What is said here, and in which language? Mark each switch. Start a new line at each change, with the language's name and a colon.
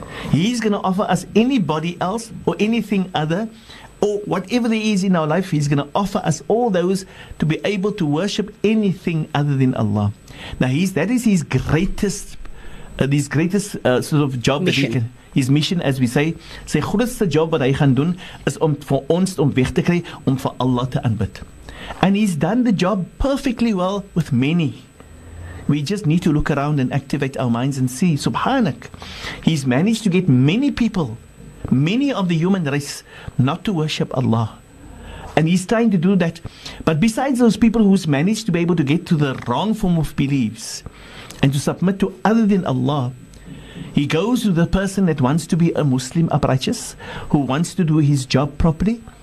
English: He's going to offer us anybody else or anything other or whatever there is in our life. He's going to offer us all those to be able to worship anything other than Allah. Now, that is his greatest mission, as we say.
Afrikaans: Sy grootste job wat hy gaan doen is om vir ons om weg te kry om vir Allah te aanbid.
English: And he's done the job perfectly well with many. We just need to look around and activate our minds and see. Subhanak, he's managed to get many people, many of the human race, not to worship Allah. And he's trying to do that. But besides those people who's managed to be able to get to the wrong form of beliefs and to submit to other than Allah, he goes to the person that wants to be a Muslim uprighteous, who wants to do his job properly.